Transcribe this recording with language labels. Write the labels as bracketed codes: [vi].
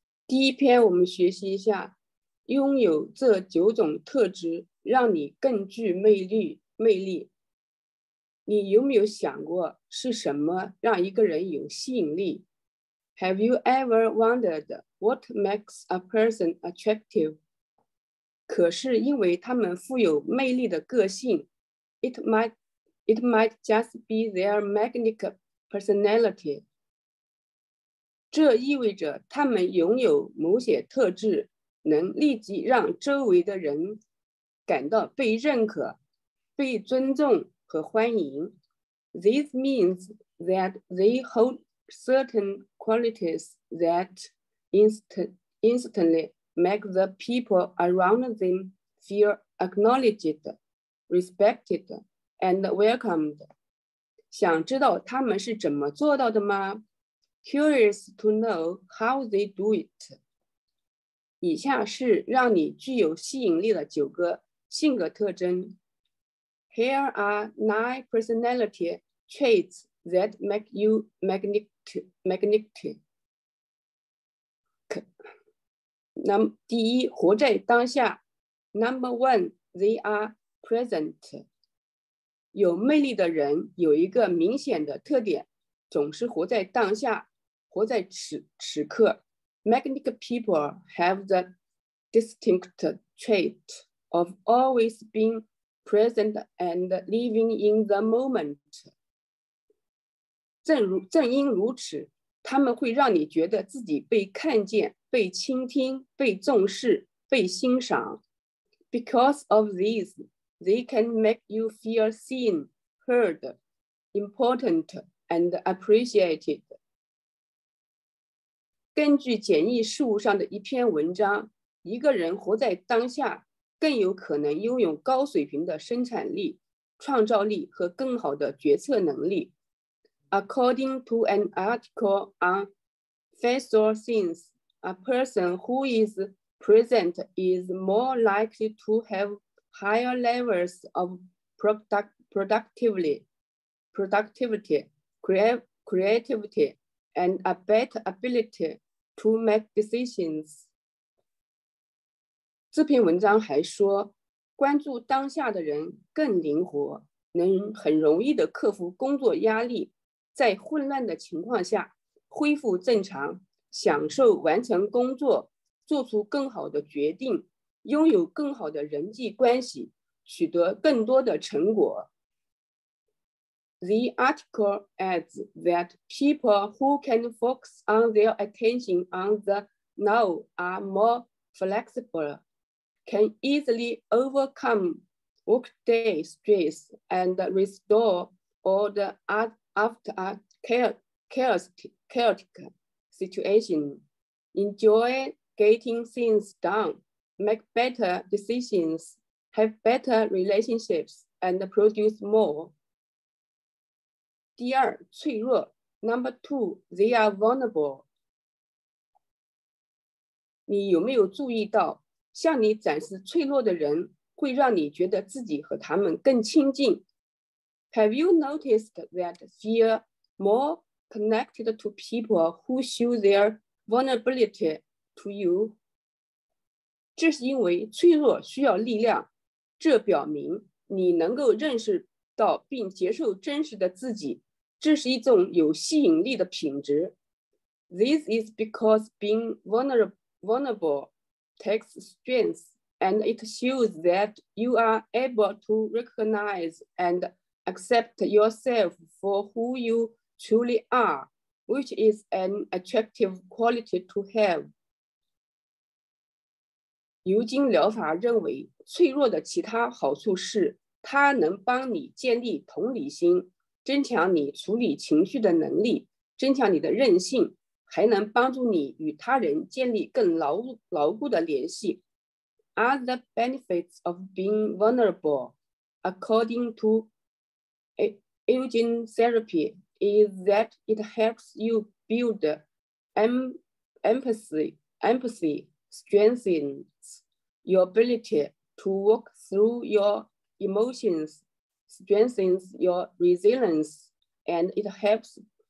[zh] 第一篇我们学习一下，拥有这九种特质让你更具魅力。你有没有想过是什么让一个人有吸引力？ [en] Have you ever wondered what makes a person attractive? [zh] 可是因为他们富有魅力的个性， [en] It might just be their magnetic personality. [zh] 这意味着他们拥有某些特质，能立即让周围的人感到被认可、被尊重和欢迎。 [en] This means that they hold certain qualities that instantly make the people around them feel acknowledged, respected, and welcomed. [zh] 想知道他们是怎么做到的吗？ [en] Curious to know how they do it. [zh] 以下是让你具有吸引力的九个性格特征。 [en] Here are 9 personality traits that make you magnetic. [zh] 第一，活在当下。 [en] Number 1, they are present. [zh] 有魅力的人有一个明显的特点，总是活在当下。活在此刻 [en] ,magnetic people have the distinct trait of always being present and living in the moment. [zh] 正因如此，他们会让你觉得自己被看见、被倾听、被重视、被欣赏。 [en] Because of these, they can make you feel seen, heard, important, and appreciated. [zh] 根据简易事物上的一篇文章，一个人活在当下，更有可能拥有高水平的生产力、创造力和更好的决策能力。 [en] According to an article on Facial Things, a person who is present is more likely to have higher levels of productivity, creativity, and a better ability. To make decisions. [zh] 这篇文章还说，关注当下的人更灵活，能很容易地克服工作压力，在混乱的情况下恢复正常，享受完成工作，做出更好的决定，拥有更好的人际关系，取得更多的成果。 [en] The article adds that people who can focus on their attention on the now are more flexible, can easily overcome workday stress and restore order after a chaotic situation, enjoy getting things done, make better decisions, have better relationships, and produce more. [zh] 第二，脆弱。 [en] Number two, they are vulnerable. [zh] 你有没有注意到，向你展示脆弱的人会让你觉得自己和他们更亲近？ [en] Have you noticed that feel more connected to people who show their vulnerability to you? [zh] 这是因为脆弱需要力量，这表明你能够认识到并接受真实的自己。这是一种有吸引力的品质。 [en] This is because being vulnerable takes strength, and it shows that you are able to recognize and accept yourself for who you truly are, which is an attractive quality to have. [zh] 牛津疗法认为，脆弱的其他好处是，它能帮你建立同理心。增强你处理情绪的能力，增强你的韧性，还能帮助你与他人建立更牢固的联系。 [en] Are the benefits of being vulnerable, according to aging therapy, is that it helps you build empathy, strengthens your ability to work through your emotions.Strengthens your resilience, and it helps